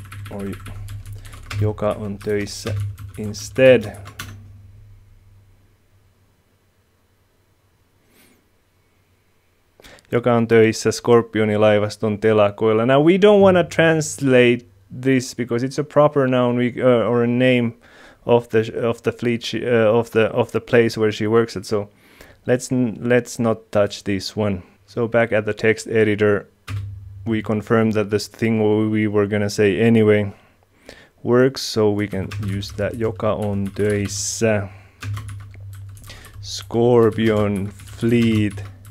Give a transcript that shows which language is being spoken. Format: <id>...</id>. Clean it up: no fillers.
<en>Or</en> <fi>joka on töissä</fi> <en>instead.</en> <fi>Joka on töissä skorpionilaivaston telakoilla.</fi> <en>Now we don't want to translate this because it's a proper noun or a name of the place where she works at. So let's not touch this one. So back at the text editor, we confirm that this thing we were gonna say anyway works. So we can use that.</en> <fi>Joka on töissä skorpion fleet.</fi>